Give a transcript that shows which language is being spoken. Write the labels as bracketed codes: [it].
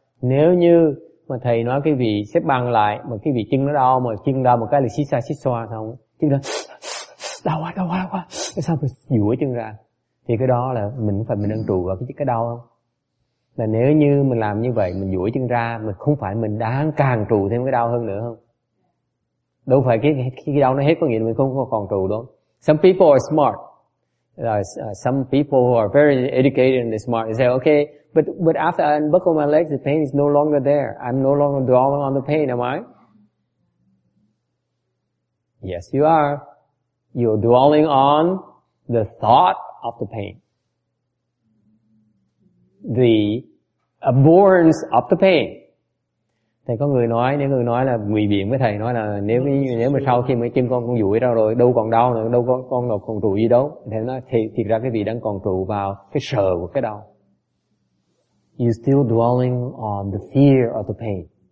[vi] Nếu như mà thầy nói cái vị xếp bằng lại, mà cái vị chân nó đau, mà chân đau một cái là xí xa xí xoa xong, chân nó đau quá, cái sao phải duỗi chân ra? Thì cái đó là mình đang trụ vào cái đau không? Là nếu như mình làm như vậy, mình duỗi chân ra, mình không phải mình đang càng trụ thêm cái đau hơn nữa không? Đâu phải cái đau nó hết có nghĩa là mình không còn trụ đâu. [en] Some people are smart. Some people who are very educated and smart, they say, okay, but after I unbuckle my legs, the pain is no longer there. I'm no longer dwelling on the pain, am I? Yes, you are. You're dwelling on the thought of the pain. The abhorrence of the pain. [vi] Thầy có người nói, nếu người nói là ngụy biện với thầy nói là nếu mà sau khi mà chân con duỗi ra rồi đâu còn đau nữa, đâu con nào còn trụ gì đâu. Thầy nói thiệt ra cái vị đang còn trụ vào cái sợ của cái đau. [en] You still dwelling on the fear of the pain.